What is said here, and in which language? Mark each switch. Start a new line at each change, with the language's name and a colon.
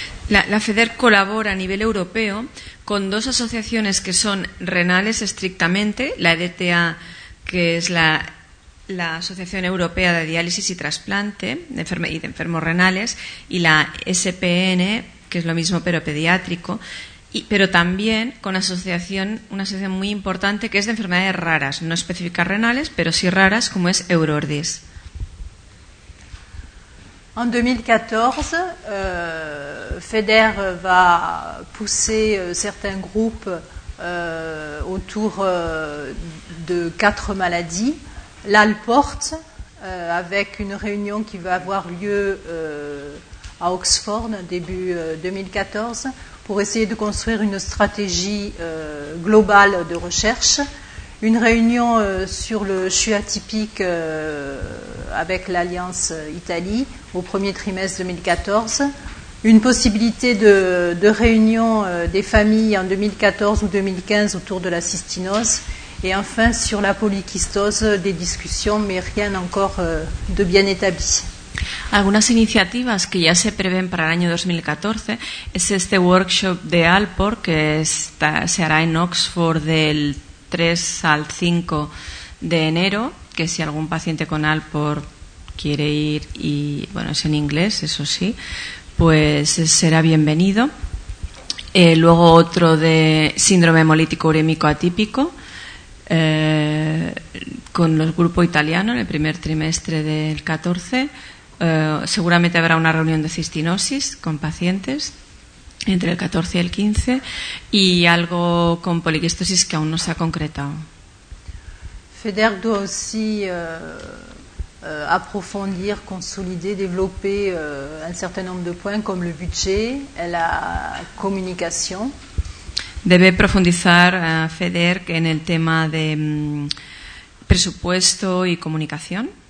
Spanish: La FEDER
French: collabore à niveau européen
Spanish: con dos asociaciones que son renales estrictamente, la DTA, que es la Asociación Europea de Diálisis y Trasplante y de Enfermos Renales, y la SPN, que es lo mismo pero pediátrico, pero también con una asociación muy importante que es de enfermedades raras, no específicas renales, pero sí raras, como es EURORDIS.
French: En 2014, FEDER va pousser certains groupes autour de quatre maladies. L'Alport, avec une réunion qui va avoir lieu à Oxford début 2014 pour essayer de construire une stratégie globale de recherche. Une réunion sur le CHU atypique avec l'Alliance Italie au premier trimestre 2014. Une possibilité de réunion des familles en 2014 ou 2015 autour de la cystinose. Et enfin, sur la polykystose, des discussions, mais rien encore de bien établi.
Spanish: Algunas iniciativas que ya se prevén para el año 2014 es este workshop de Alport, que se hará en Oxford del 3 al 5 de enero, que si algún paciente con Alport quiere ir, y bueno, es en inglés, eso sí, pues será bienvenido. Luego otro de síndrome hemolítico urémico atípico, con el grupo italiano en el primer trimestre del 14. Seguramente habrá una reunión de cistinosis con pacientes entre el 14 y el 15, y algo con poliquistosis que aún no se ha concretado.
French: FEDER doit aussi approfondir, consolider, développer un certain nombre de points comme le budget et la communication.
Spanish: Debe profundizar FEDER en el tema de presupuesto y comunicación.